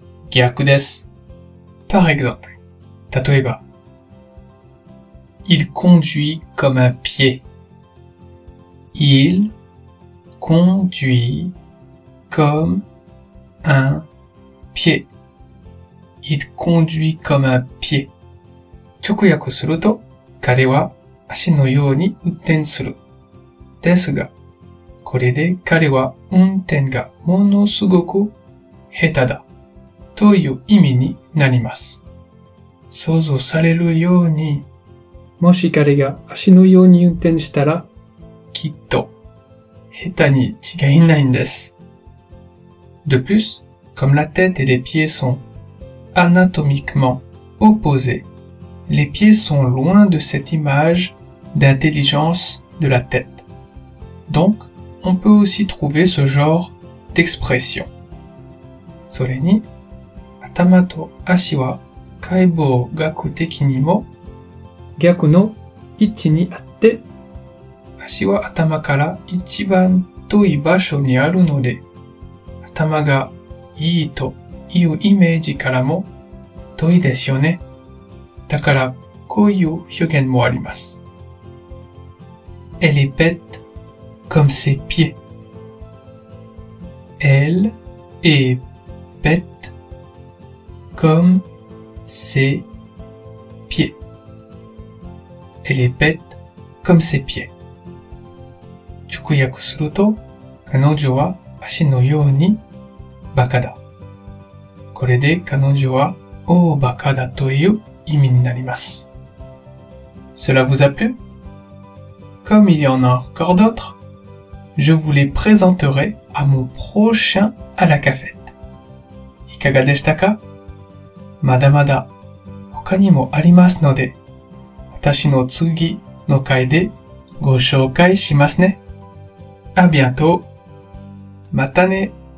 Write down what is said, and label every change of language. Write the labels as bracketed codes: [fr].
[ja] 逆です。 [fr] Par exemple, [ja] 例えば、 [fr] Il conduit comme un pied. Il conduit comme un pied. Il conduit comme un pied. [ja] 直訳すると、彼は足のように運転する。ですが、これで彼は運転がものすごく下手だという意味になります。想像されるように、もし彼が足のように運転したら、きっと下手に違いないんです。 [fr] De plus, comme la tête et les pieds sont anatomiquement opposés, les pieds sont loin de cette image d'intelligence de la tête. Donc,On peut aussi trouver ce genre d'expression. [ja] それに、頭と足は解剖学的にも逆の位置にあって、足は頭から一番遠い場所にあるので、頭がいいというイメージからも遠いですよね。だから、こういう表現もあります。 [fr] Elle est bête. Comme ses pieds. Elle est bête comme ses pieds. Elle est bête comme ses pieds. [ja] 直訳すると、彼女は足のようにバカだ。これで彼女は大バカだという意味になります。 [fr] Cela vous a plu? Comme il y en a encore d'autres? Je vous les présenterai à mon prochain à la cafette. [ja] いかがでしたか? まだまだ他にもありますので、私の次の回でご紹介しますね。 [fr] À bientôt. [ja] またね。